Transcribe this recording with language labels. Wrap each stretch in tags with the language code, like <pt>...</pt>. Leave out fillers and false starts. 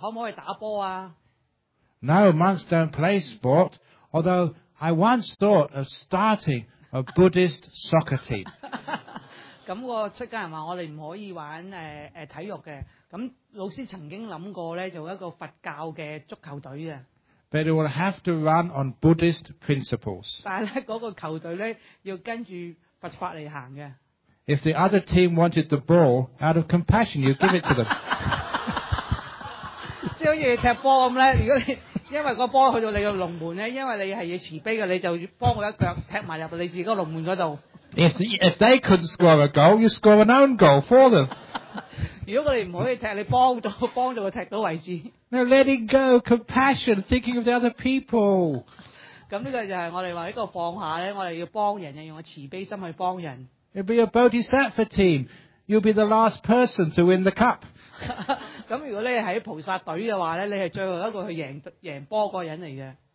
<yue>可唔可以打波啊</yue> <en>？No, monks don't play sport. Although I once thought of starting a Buddhist soccer team.</en> <yue>咁、那個出家人話：我哋唔可以玩體育嘅。咁老師曾經諗過咧，做一個佛教嘅足球隊嘅。</yue> <en>But it will have to run on Buddhist principles.</en> <yue>但係咧，嗰、那個球隊咧要跟住佛法嚟行嘅。</yue> <en>If the other team wanted the ball, out of compassion, you give it to them.</en> <yue>即係好似踢波咁咧，如果你因為那個波去到你個龍門咧，因為你係要慈悲嘅，你就幫我一腳踢埋入你自己個龍門嗰度。</yue> <en>If they couldn't score a goal, you score an own goal for them.</en> <yue>如果佢哋唔可以踢，你幫助佢踢到位置。</yue> <en>Now letting go, compassion, thinking of the other people.</en> <yue>咁呢個就係我哋話呢個放下咧，我哋要幫人，要用個慈悲心去幫人。</yue> <en>It'll be a bodhisattva team. You'll be the last person to win the cup.</en> <yue>咁如果你喺菩薩隊嘅話咧，你係最後一個去贏波嗰人嚟嘅。</yue>